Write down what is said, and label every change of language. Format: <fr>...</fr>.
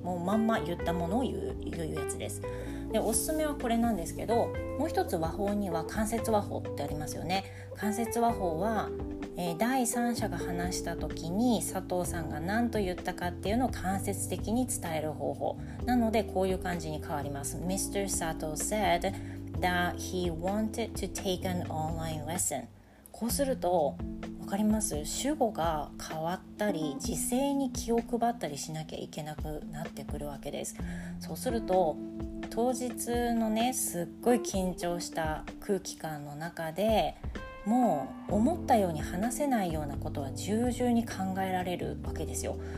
<ja>もうまんま言ったものを言うやつです。で、おすすめはこれなんですけど、もう一つ話法には間接話法ってありますよね。間接話法は、第三者が話した時に佐藤さんが何と言ったかっていうのを間接的に伝える方法なので、こういう感じに変わります。</ja> <en>Mr. Sato said that he wanted to take an online lesson。</en> <ja>こうすると分かります？主語が変わったり、時制に気を配ったりしなきゃいけなくなってくるわけです。そうすると当日のね、すっごい緊張した空気感の中でもう思ったように話せないようなことは重々に考えられるわけですよ。</ja>